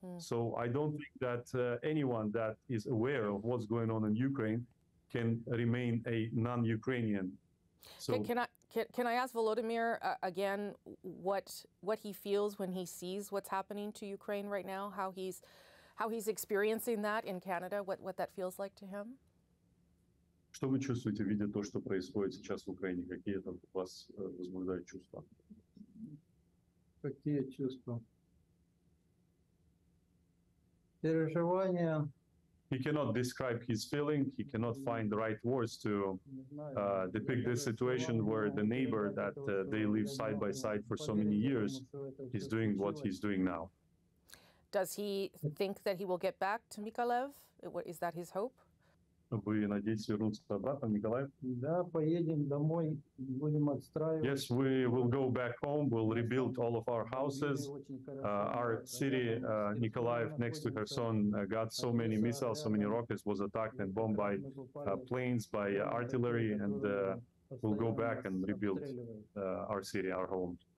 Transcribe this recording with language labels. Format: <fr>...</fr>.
<en>So I don't think that anyone that is aware of what's going on in Ukraine can remain a non-Ukrainian. So can I ask Volodymyr again what he feels when he sees what's happening to Ukraine right now, how he's how he's experiencing that in Canada, what that feels like to him?</en> <ru>Что вы чувствуете, видя то, что происходит сейчас в Украине? Какие там у вас возбуждают чувства? Какие чувства? Переживания.</ru> <en>He cannot describe his feeling. He cannot find the right words to depict this situation where the neighbor that they live side by side for so many years is doing what he's doing now. Does he think that he will get back to Mykolaiv? Is that his hope?</en> <ru>Вы надеетесь вернуться обратно, Николаев? Да, поедем домой, будем отстраивать.</ru> <en>Yes, we will go back home. We'll rebuild all of our houses. Our city, Николаев, next to Kherson, got so many missiles, so many rockets, was attacked and bombed by planes, by artillery, and we'll go back and rebuild our city, our home.</en>